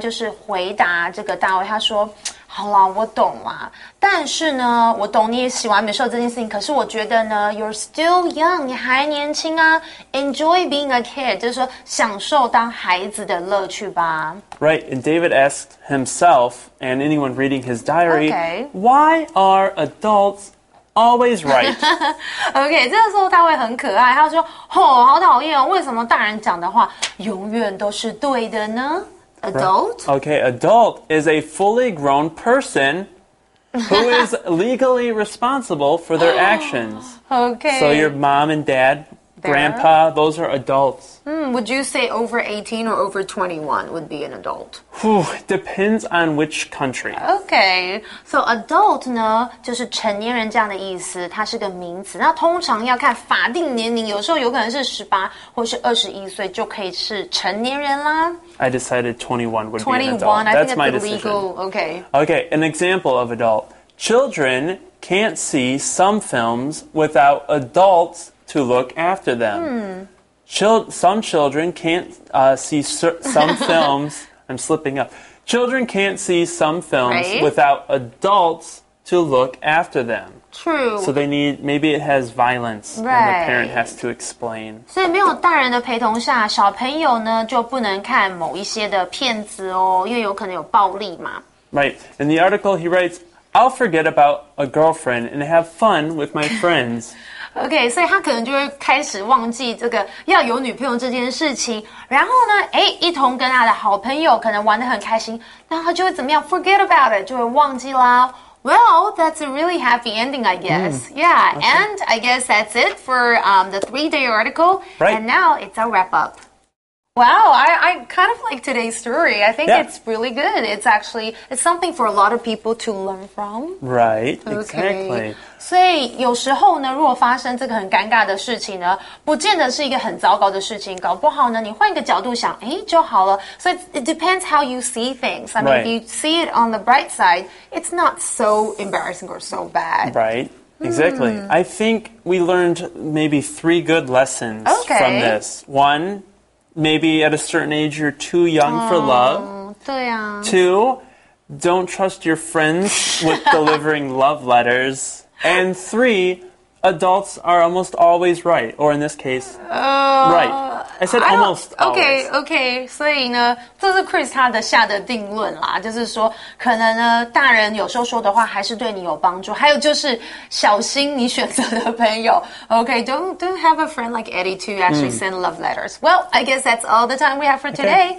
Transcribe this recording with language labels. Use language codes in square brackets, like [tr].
[zh] 就是回答这个大卫，他说，好啦，我懂啦，但是呢，我懂你也喜欢美秀这件事情，可是我觉得呢 ， [en] you're still young， [zh] 你还年轻啊 ， [en] enjoy being a kid， [zh] 就是说享受当孩子的乐趣吧。 [en] Right, and David asked himself and anyone reading his diary,、 okay. why are adults always right? [zh] okay, 这个时候大卫很可爱，他说，哦，好讨厌哦，为什么大人讲的话永远都是对的呢？ [en] Adult? Okay, adult is a fully grown person who is legally responsible for their actions. Okay. So your mom and dad, grandpa, those are adults. Would you say over 18 or over 21 would be an adult? Whew, depends on which country. [zh] Okay, so adult 呢就是成年人这样的意思，它是个名词。那通常要看法定年龄，有时候有可能是18或是21岁就可以是成年人啦。 [en] I decided 21 would 21, be an adult. That's my decision. 21, I think that's legal. Okay. Okay, an example of adult. Children can't see some films without adults to look after them. Some children can't see some films. I'm slipping up. Children can't see some films without adults to look after them. True. So they need, maybe it has violence, and the parent has to explain. [zh] 所以没有大人的陪同下，小朋友呢就不能看某一些的片子哦，因为有可能有暴力嘛。 [en] Right. In the article, he writes, I'll forget about a girlfriend and have fun with my friends. [zh] Okay, 所以他可能就会开始忘记这个要有女朋友这件事情，然后呢，哎，一同跟他的好朋友可能玩得很开心，然后就会怎么样 ？ [en] Forget about it， [zh] 就会忘记啦。 [en] Well, that's a really happy ending, I guess. Yeah, okay. And I guess that's it for the 3-day article. Right. And now it's our wrap-up. Wow, I kind of like today's story. I think it's really good. It's actually, it's something for a lot of people to learn from. Right, exactly. Okay. [zh] 所以有时候呢，如果发生这个很尴尬的事情呢，不见得是一个很糟糕的事情，搞不好呢，你换一个角度想，哎，就好了。 [en] So it depends how you see things. I mean, if you see it on the bright side, it's not so embarrassing or so bad. Right. Exactly. I think we learned maybe 3 good lessons from this. One, maybe at a certain age you're too young for love. [zh] 对啊。 [en] Two, don't trust your friends with delivering love letters. And three, adults are almost always right. Or in this case, right. I said almost always. [zh] Okay, okay. 所以呢，这是 Chris 他的下的定论啦，就是说，可能呢，大人有时候说的话还是对你有帮助。还有就是，小心你选择的朋友。 [en] Okay, don't have a friend like Eddie to actually send love letters. Well, I guess that's all the time we have for today.